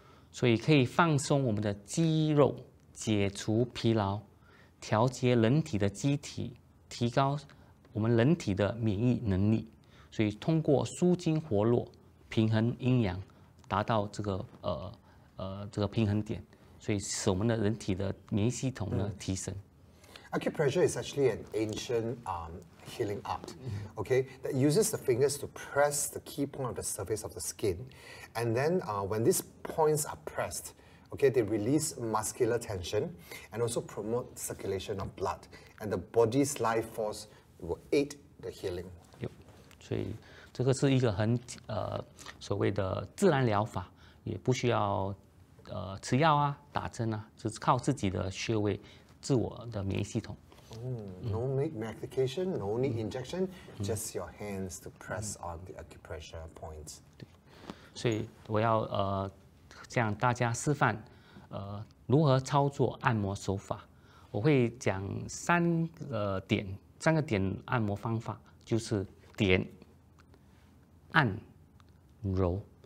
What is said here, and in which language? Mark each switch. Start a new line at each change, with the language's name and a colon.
Chinese: 所以可以放松我们的肌肉，解除疲劳，调节人体的机体，提高我们人体的免疫能力，所以通过舒筋活络，平衡阴阳，达到这个平衡点，所以使我们的人体的免疫系统呢提升。
English: Acupressure is actually an ancient healing art, okay, that uses the fingers to press the key point of the surface of the skin. And then when these points are pressed, okay, they release muscular tension and also promote circulation of blood. And the body's life force will aid the healing. Yep.
Chinese: 所以这个是一个很所谓的自然疗法，也不需要吃药啊打针啊，只是靠自己的穴位自我的免疫系统。
English: No need medication, no need injection, just your hands to press on the acupressure points.
Chinese: 所以我要向大家示范如何操作按摩手法。我会讲三个点按摩方法，就是点、按、揉。